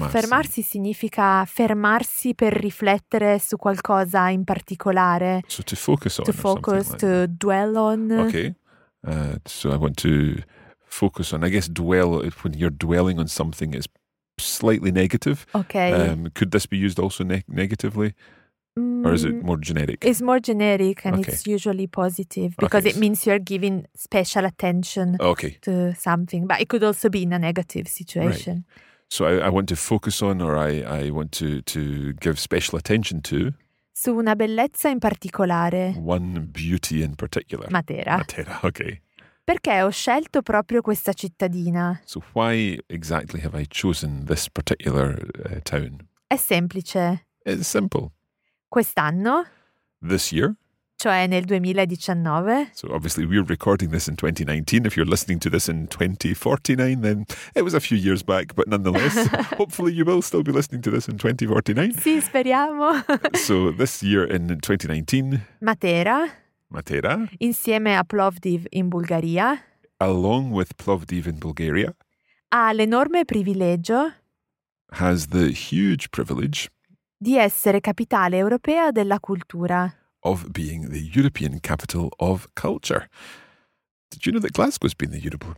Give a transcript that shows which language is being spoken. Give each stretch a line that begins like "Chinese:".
Italian: Soffermarsi significa fermarsi per riflettere su qualcosa in particolare.
English: So to focus on. To focus, like to dwell on. Okay. So I want to focus on. I guess dwell, when you're dwelling on something, is slightly negative. Okay. Could this be used also negatively? Or is it more generic? It's more generic and okay. It's usually positive because okay. It means you're giving special attention okay. to something. But it could also be in a negative situation. Right. So I want to focus on or I want to give special attention to...
Italian: Su una bellezza in particolare.
English: One beauty in particular.
Italian: Matera.
English: Matera, okay.
Italian: Perché ho scelto proprio questa cittadina?
English: So why exactly have I chosen this particular town?
Italian: È semplice.
English: It's simple.
Italian: Quest'anno?
English: This year?
Italian: Cioè nel 2019.
English: So obviously we're recording this in 2019. If you're listening to this in 2049, then it was a few years back. But nonetheless, hopefully you will still be listening to this in 2049.
Italian: Sì, speriamo.
English: So this year in 2019.
Italian: Matera. Insieme a Plovdiv in Bulgaria.
English: Along with Plovdiv in Bulgaria.
Italian: Ha l'enorme privilegio.
English: Has the huge privilege.
Italian: Di essere capitale europea della cultura.
English: Of being the European capital of culture. Did you know that Glasgow's been the European